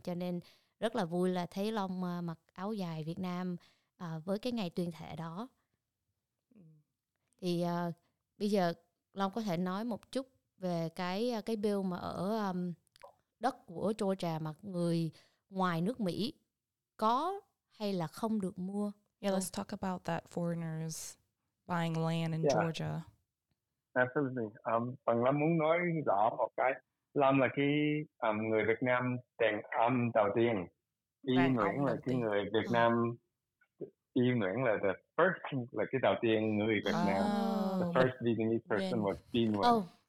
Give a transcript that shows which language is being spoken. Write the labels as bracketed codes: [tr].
[vi] Cho nên rất là vui là thấy Long mặc áo dài Việt Nam với cái ngày tuyên thệ đó. Thì bây giờ Long có thể nói một chút về cái bill mà ở đất của Georgia mà người ngoài nước Mỹ có hay là không được mua. [en] Yeah, let's talk about that, foreigners buying land in Georgia. Absolutely. [vi] Bằng Lâm muốn nói rõ một cái. Lâm là cái người Việt Nam đàn ông đầu tiên. Y Nguyễn là cái người Việt Nam. Y Nguyễn là the first, là cái đầu tiên người Việt Nam. [en] The first Vietnamese person was Y Nguyễn.